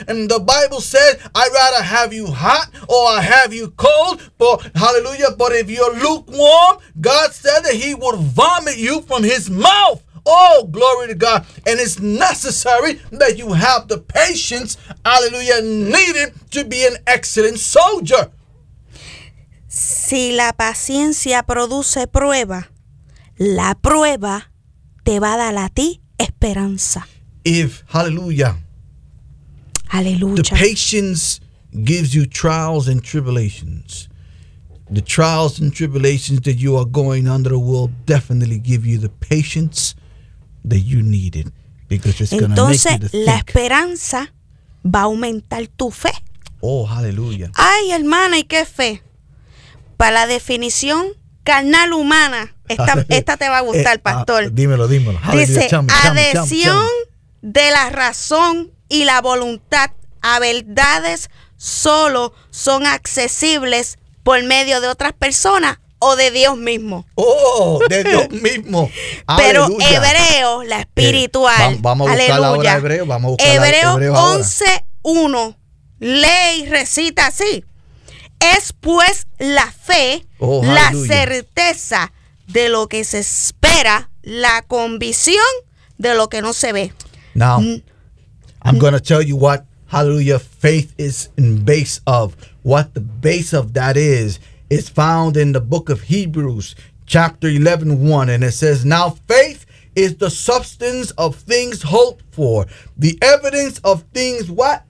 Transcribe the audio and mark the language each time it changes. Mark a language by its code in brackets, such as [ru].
[en] And the Bible says, I'd rather have you hot or I have you cold. But hallelujah. But if you're lukewarm, God said that He would vomit you from His mouth. Oh, glory to God. And it's necessary that you have the patience, hallelujah, needed to be an excellent soldier. [es] Si la paciencia produce prueba, la prueba te va a dar a ti esperanza. [en] If, hallelujah, hallelujah, the patience gives you trials and tribulations, the trials and tribulations that you are going under will definitely give you the patience that you needed, because it's going to make you think. [es] La esperanza va a aumentar tu fe. Oh, hallelujah. Ay, hermana, ¿y qué fe? Para la definición carnal humana, esta te va a gustar, pastor. Dímelo. Dice, adhesión de la razón y la voluntad a verdades solo son accesibles por medio de otras personas. O de Dios mismo. Oh, de Dios mismo. Pero hebreo, la espiritual. Vamos a buscar la hora hebreo. Vamos a buscar hebreo 11:1. Ley recita así: es pues la fe, oh, la certeza de lo que se espera, la convicción de lo que no se ve. [en] Now, I'm going to tell you what, hallelujah, faith is in base of. What the base of that is. It's found in the book of Hebrews, chapter 11, 1, and it says, now faith is the substance of things hoped for, the evidence of things what?